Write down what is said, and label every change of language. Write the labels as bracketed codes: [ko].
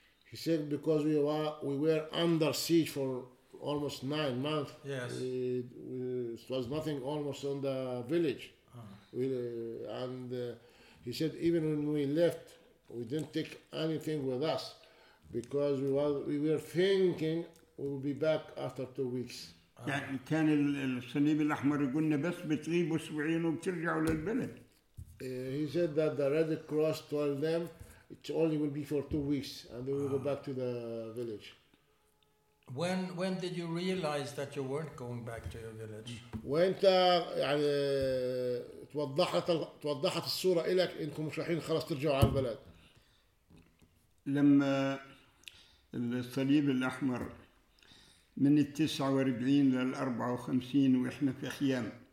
[en] He said because we were under siege for almost 9 months. Yes. It was nothing almost on the village. He said even when we left, we didn't take anything with us because we were thinking we'll be back after 2 weeks. [ar] يعني كان الصليب الأحمر يقولنا بس بتغيب أسبوعين وبترجعوا للبلد. [en] He said that the Red Cross told them it only will be for 2 weeks and they will go back to the village. When did you realize that you weren't going back to your village? [ar] وانت يعني توضحت الصورة إليك إنكم مش رايحين خلاص ترجعوا على البلد. لما الصليب الأحمر من 49 ل 54 وإحنا في خيام.